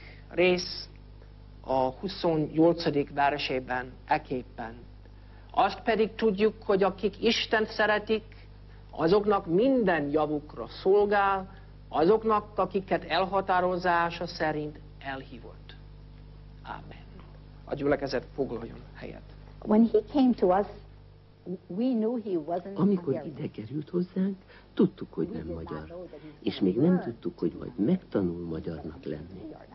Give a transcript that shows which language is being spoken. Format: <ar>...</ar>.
<hu>rész, a 28. versében, eképpen. Azt pedig tudjuk, hogy akik Istent szeretik, azoknak minden javukra szolgál, azoknak, akiket elhatározása szerint elhívott. Amen. A gyülekezet foglaljon helyet.</hu> <en>When he came to us, we knew he wasn't.</en> <hu>Amikor ide került hozzánk, tudtuk, hogy nem magyar, és még nem tudtuk, hogy majd megtanul magyarnak lenni.</hu>